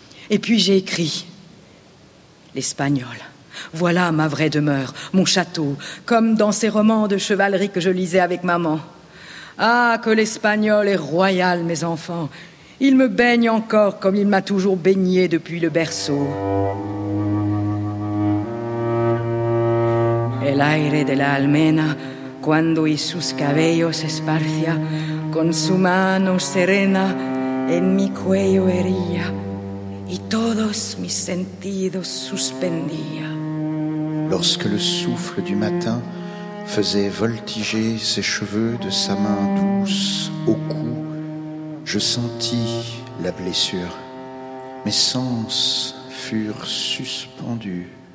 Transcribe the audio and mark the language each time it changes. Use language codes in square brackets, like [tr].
[fr] Et puis j'ai écrit l'espagnol. Voilà ma vraie demeure, mon château, comme dans ces romans de chevalerie que je lisais avec maman. Ah, que l'espagnol est royal, mes enfants. Il me baigne encore comme il m'a toujours baigné depuis le berceau. [es] El aire de la almena, cuando y sus cabellos esparcia, con su mano serena en mi cuello hería, y todos mis sentidos suspendía. [fr] Lorsque le souffle du matin faisait voltiger ses cheveux de sa main douce au cou, je sentis la blessure. Mes sens furent suspendus.